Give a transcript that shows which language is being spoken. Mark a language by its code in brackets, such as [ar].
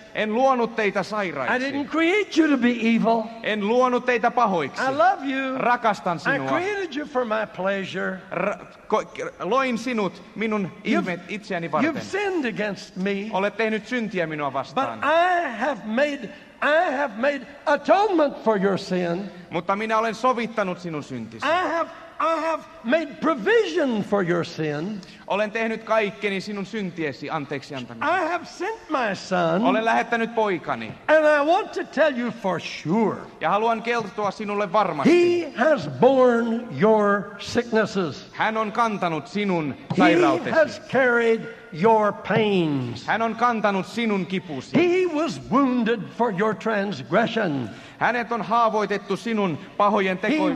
[fi] En luonut teitä sairaiksi. [en] I didn't create you to be evil. [fi] En luonut teitä pahoiksi. [en] I love you. [fi] Rakastan sinua. [en] I created you for my pleasure. [fi] Loin sinut minun itseäni varten. [en] You've sinned against me. [fi] Olet tehnyt syntiä minua vastaan. [en] But I have made atonement for your sin. [fi] Mutta minä olen sovittanut sinun syntisi. [en] I have made provision for your sin. [fi] Olen tehnyt kaikkeni sinun syntiesi anteeksi antamiseksi. [en] I have sent my son. [fi] Olen lähettänyt poikani. [en] And I want to tell you for sure. [fi] Ja haluan kertoa sinulle varmasti. [en] He has borne your sicknesses. [fi] Hän on kantanut sinun sairautesi. [en] He has carried your pains. [fi] Hän on kantanut sinun kipusi. [en] He was wounded for your transgression. [fi] Hänet on haavoitettu sinun pahojen tekojen.